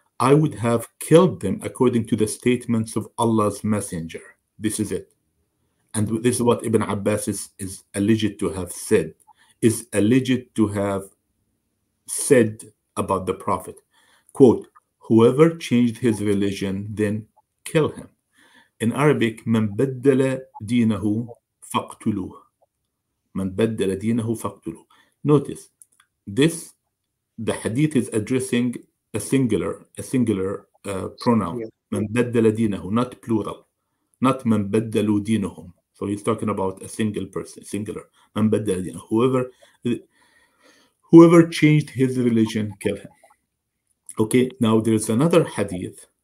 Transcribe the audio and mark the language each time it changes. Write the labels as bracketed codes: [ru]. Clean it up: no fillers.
[en] I would have killed them according to the statements of Allah's messenger. This is it. And this is what Ibn Abbas is alleged to have said, is alleged to have said about the Prophet. Quote, whoever changed his religion, then kill him. In Arabic, [ar] من بدل دينه فاقتلوه. من بدل دينه فاقتلوه. [en] Notice, this, the hadith is addressing a singular pronoun. Yeah. [ar] من بدل دينه, [en] not plural. Not [ar] من بدلوا دينهم. [en] So he's talking about a single person, singular. [ar] من بدل دينه. [en] Whoever changed his religion, kill him. Okay, now there's another hadith.